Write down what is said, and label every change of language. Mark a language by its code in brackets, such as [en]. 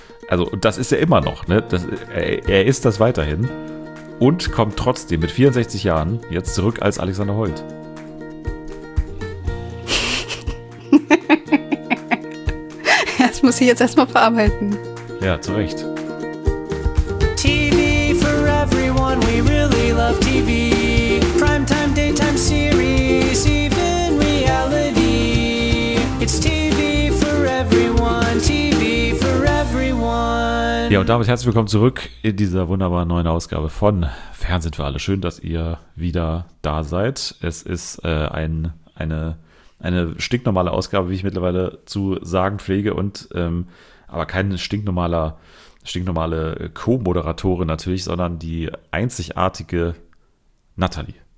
[de] Also das ist er immer noch. Ne? Er ist das weiterhin. Und kommt trotzdem mit 64 Jahren jetzt zurück als Alexander Holt. Das muss ich jetzt erstmal verarbeiten. Ja, zu Recht. [en] TV for everyone, we really love TV. Primetime, daytime series, even reality. It's TV for everyone, TV for everyone. [de] Ja, und damit herzlich willkommen zurück in dieser wunderbaren neuen Ausgabe von Fernsehen für alle. Schön, dass ihr wieder da seid. Es ist eine stinknormale Ausgabe, wie ich mittlerweile zu sagen pflege, und aber keine stinknormale Co-Moderatorin natürlich, sondern die einzigartige Nathalie.